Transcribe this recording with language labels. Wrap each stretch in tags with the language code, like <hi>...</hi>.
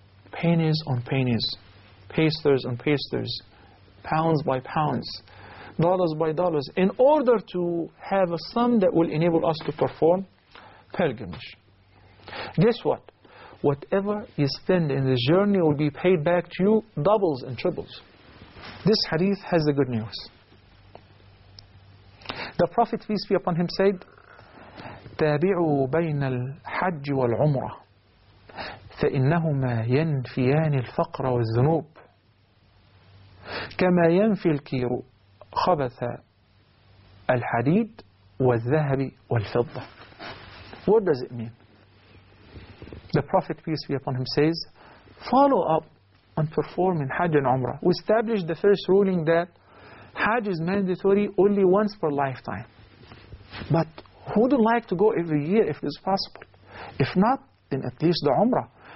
<en>Pennies on pennies, pesters on pesters, pounds by pounds, dollars by dollars, in order to have a sum that will enable us to perform pilgrimage. Guess what? Whatever you spend in the journey will be paid back to you doubles and triples. This hadith has the good news. The Prophet, peace be upon him, said,</en> <ar>تابعوا بين الحج والعمرة فإنهما ينفيان الفقر والذنوب كما ينفي الكير خبث الحديد والذهب والفضة.</ar> <en>What does it mean? The Prophet, peace be upon him, says, follow up on performing Hajj and Umrah. We established the first ruling that Hajj is mandatory only once per lifetime. But who would like to go every year if it's possible? If not, then at least the Umrah.</en>